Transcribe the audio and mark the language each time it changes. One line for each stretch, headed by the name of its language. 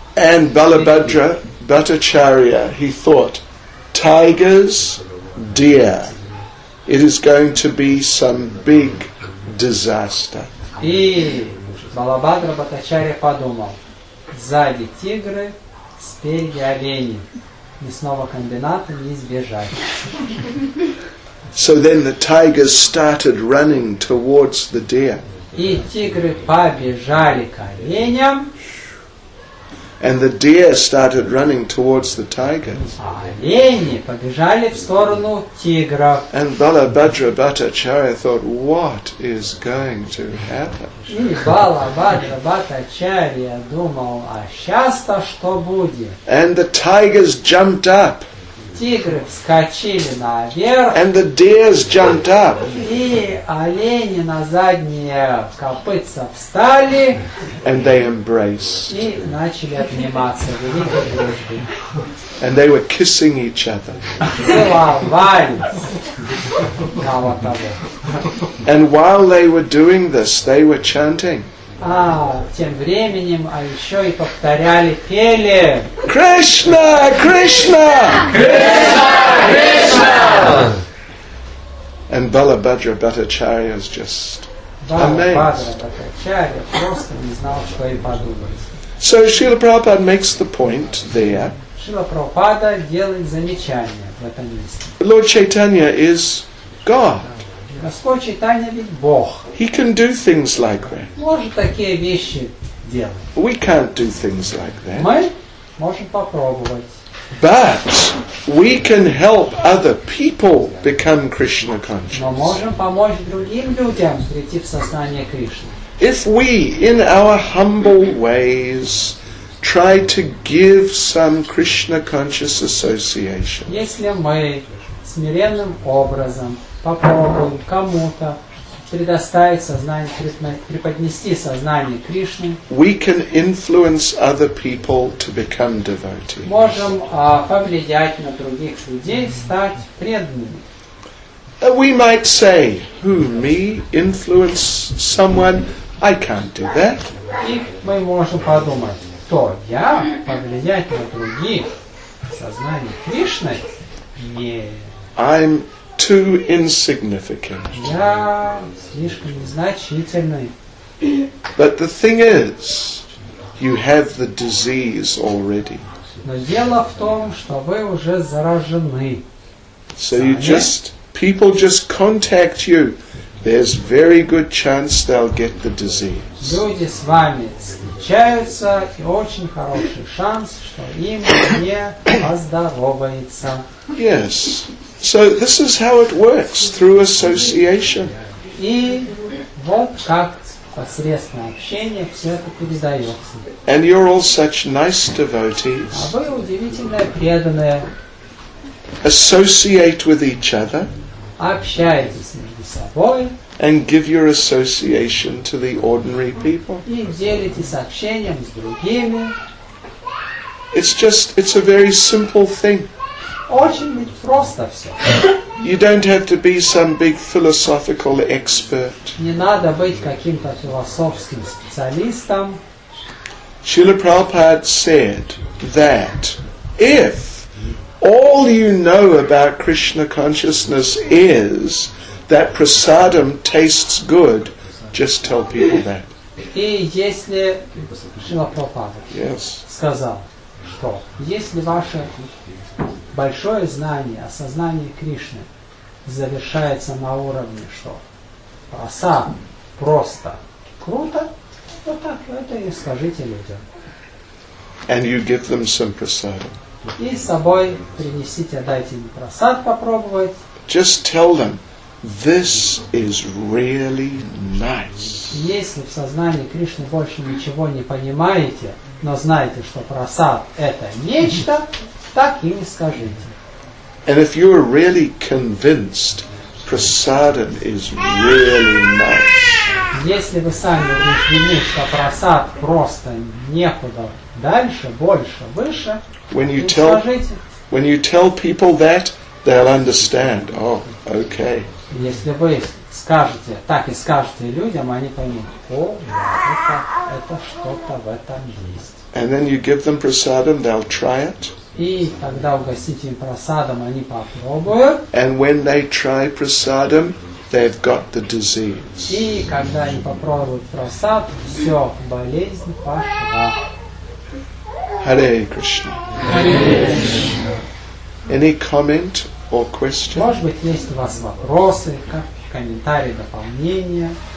English: And Balabhadra Bhattacharya, he thought, tigers, deer, it is going to be some big disaster.
Russian: И Балабхадра Бхаттачарья подумал, сзади тигры, спереди олени, мясного комбината не избежать.
English: So then the tigers started running towards the deer.
Russian: И тигры побежали к оленям.
English: And the deer started running towards the tigers.
Russian: Олени побежали в сторону тигров.
English: And Balabhadra Bhattacharya thought, what is going to happen?
Russian: И Балабхадра Бхаттачарья думал, а сейчас-то что будет?
English: And the tigers jumped up.
Russian: Тигры вскочили наверх.
English: And the deers jumped up.
Russian: И олени на задние копытца встали.
English: And they embraced.
Russian: И начали обниматься великой дружбой.
English: And they were kissing each other.
Russian: Целовались.
English: And while they were doing this, they were chanting.
Russian: А тем временем, а еще и повторяли, пели.
Sanskrit: Krishna, Krishna, Krishna, Krishna.
English: And Balabhadra Bhattacharya is just amazed.
Russian: Бхаттачарья просто не знал, что и подумать.
English: So Srila Prabhupada makes the point there.
Russian: Шрила Прабхупада делает замечание в этом месте.
English: Lord Chaitanya is God.
Russian: Господь Чайтанья ведь Бог.
English: He can do things like that.
Russian: Может такие вещи делать.
English: We can't do things like that.
Russian: Мы можем попробовать.
English: But we can help other people become Krishna conscious.
Russian: Но можем помочь другим людям прийти в сознание Кришны.
English: If we, in our humble ways, try to give some Krishna conscious association.
Russian: Если мы смиренным образом попробуем кому-то предоставить сознание, преподнести сознание Кришны.
English: We can influence other people to become devotees.
Russian: Можем повлиять на других людей стать преданными.
English: We might say, who, me, influence someone? I can't do that.
Russian: И мы можем подумать, кто я, повлиять на других сознание Кришны? Нет.
English: I'm too insignificant.
Russian: Я слишком незначительный.
English: But the thing is, you have the disease already.
Russian: Но дело в том, что вы уже заражены.
English: So you just, people just contact you, there's very good chance they'll get the disease.
Russian: Люди с вами встречаются, и очень хороший шанс, что им не поздоровается.
English: Yes. So this is how it works, through association.
Russian: И вот как посредством общения все это передается.
English: And you're all such nice devotees.
Russian: А вы удивительные преданные.
English: Associate with each other.
Russian: Общайтесь между собой.
English: And give your association to the ordinary people.
Russian: И делитесь общением с другими.
English: It's just, it's a very simple thing.
Russian: Очень просто все.
English: You don't have to be some big philosophical expert.
Russian: Не надо быть каким-то философским специалистом.
English: Srila Prabhupada said that if all you know about Krishna consciousness is that prasadam tastes good, just tell people that.
Russian: И если Шрила Прабхупада сказал, что если ваше большое знание о сознании Кришны завершается на уровне, что прасад просто круто, то так это и скажите людям.
English: And you give them some prasadam.
Russian: И с собой принесите, дайте им просад попробовать.
English: Just tell them, this is really nice.
Russian: Если в сознании Кришны больше ничего не понимаете, но знаете, что просад это нечто, так и не скажите.
English: And if you are really convinced, prasadam is really nice.
Russian: Если вы сами убеждены, что просад просто некуда дальше, больше, выше,
English: When you tell people that, they'll understand. Oh, okay.
Russian: Если вы скажете, так и скажете людям, они поймут, о, это что-то в этом есть.
English: And then you give them prasadam, they'll try it.
Russian: И тогда угостите им просадом, они попробуют.
English: And when they try prasadam, they've got the disease.
Russian: И когда они попробуют просад, все, болезнь пошла.
Sanskrit: Hare Krishna. Hare Krishna.
English: Any comment or question?
Russian: Может быть, есть у вас вопросы, комментарии, дополнения?